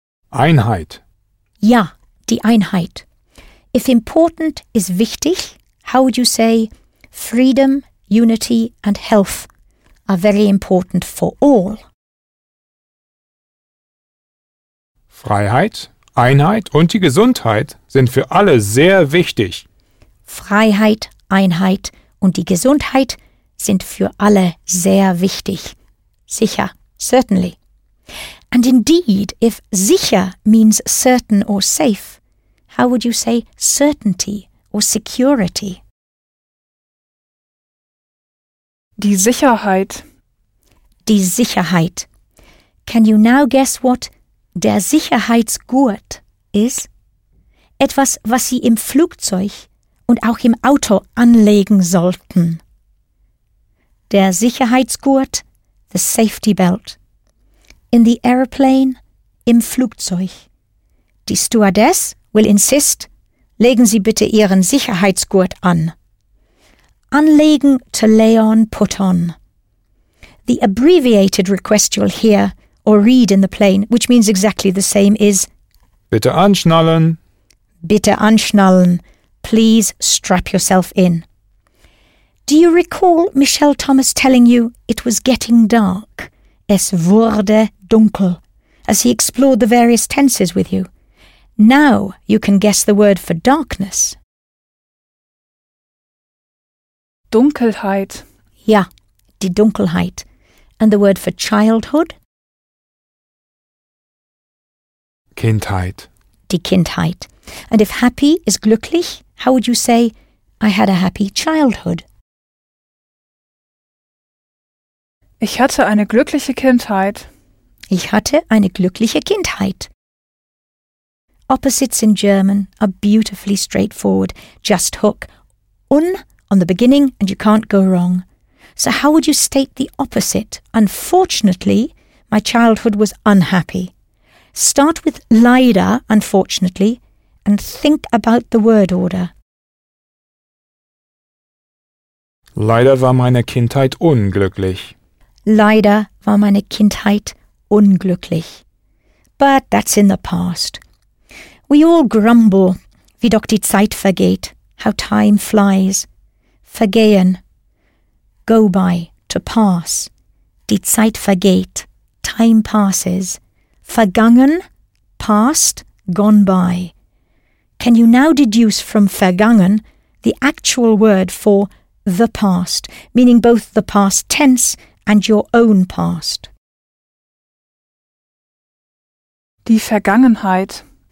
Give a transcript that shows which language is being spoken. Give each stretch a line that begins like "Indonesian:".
German: Einheit. Ja, die Einheit.
English: If important is wichtig, how would you say freedom, unity and health are very important for all?
German: Freiheit, Einheit und die Gesundheit sind für alle sehr wichtig. Freiheit, Einheit und die Gesundheit sind für alle sehr wichtig. Sicher, certainly.
English: And indeed, if sicher means certain or safe, how would you say certainty or security?
German: Die Sicherheit. Die Sicherheit.
English: Can you now guess what der Sicherheitsgurt is?
German: Etwas, was Sie im Flugzeug und auch im Auto anlegen sollten.
English: Der Sicherheitsgurt, the safety belt. In the aeroplane,
German: im Flugzeug. Die Stewardess
English: will insist,
German: legen Sie bitte Ihren Sicherheitsgurt an.
English: Anlegen, to lay on, put on. The abbreviated request you'll hear or read in the plane, which means exactly the same, is
German: bitte anschnallen. Bitte anschnallen.
English: Please strap yourself in. Do you recall Michelle Thomas telling you it was getting dark?
German: Es wurde dunkel,
English: as he explored the various tenses with you. Now you can guess the word for darkness.
German: Dunkelheit. Ja, die Dunkelheit.
English: And the word for childhood?
German: Kindheit. Die Kindheit.
English: And if happy is glücklich, how would you say, I had a happy childhood?
German: Ich hatte eine glückliche Kindheit. Ich hatte eine glückliche Kindheit.
English: Opposites in German are beautifully straightforward. Just hook. Un on the beginning and you can't go wrong. So how would you state the opposite? Unfortunately, my childhood was unhappy. Start with leider, unfortunately, and think about the word order.
German: Leider war meine Kindheit unglücklich. Leider war meine Kindheit unglücklich.
English: But that's in the past. We all grumble,
German: wie doch die Zeit vergeht,
English: how time flies. Vergehen, go by, to pass.
German: Die Zeit vergeht,
English: time passes. Vergangen, past, gone by. Can you now deduce from vergangen the actual word for the past, meaning both the past tense and your own past?
German: Die Vergangenheit.